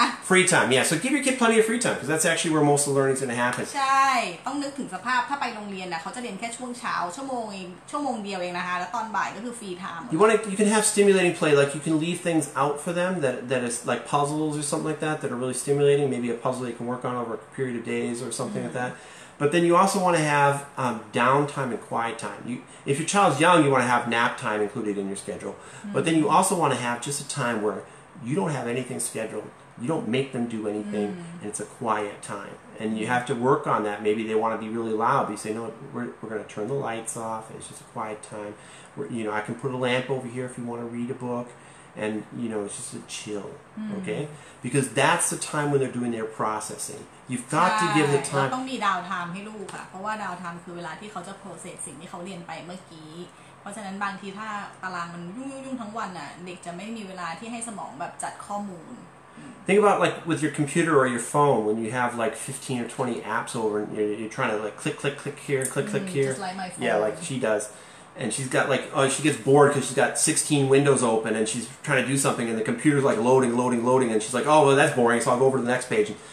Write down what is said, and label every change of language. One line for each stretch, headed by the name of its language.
English: Free time, yeah. So give your kid plenty of free time, because that's actually where most of the learning is going to happen.
Thai: ใช่ต้องนึกถึงสภาพถ้าไปโรงเรียนนะเขาจะเรียนแค่ช่วงเช้าชั่วโมงเดียวเองนะคะแล้วตอนบ่ายก็คือ free time.
English: You can have stimulating play, like you can leave things out for them that is like puzzles or something like that are really stimulating. Maybe a puzzle they can work on over a period of days or something like that. But then you also want to have downtime and quiet time. If your child's young, you want to have nap time included in your schedule. But then you also want to have just a time where you don't have anything scheduled. You don't make them do anything, and it's a quiet time. And you have to work on that. Maybe they want to be really loud, but you say, no, we're going to turn the lights off. It's just a quiet time. I can put a lamp over here if you want to read a book. And, it's just a chill, okay? Because that's the time when they're doing their processing. You've got to give the time.
Thai: ต้องมีดาวไทม์ให้ลูกค่ะเพราะว่าดาวไทม์คือเวลาที่เขาจะ process สิ่งที่เขาเรียนไปเมื่อกี้เพราะฉะนั้นบางทีถ้าตารางมันยุ่งทั้งวันน่ะเด็กจะไม่มีเวลาที่ให้สมองแบบจัดข้อมูล
English: Think about like with your computer or your phone when you have like 15 or 20 apps over and you're trying to like click here. Just like my phone. Yeah, like she does. And she's got like, she gets bored because she's got 16 windows open and she's trying to do something and the computer's like loading and she's like, oh, well, that's boring, so I'll go over to the next page.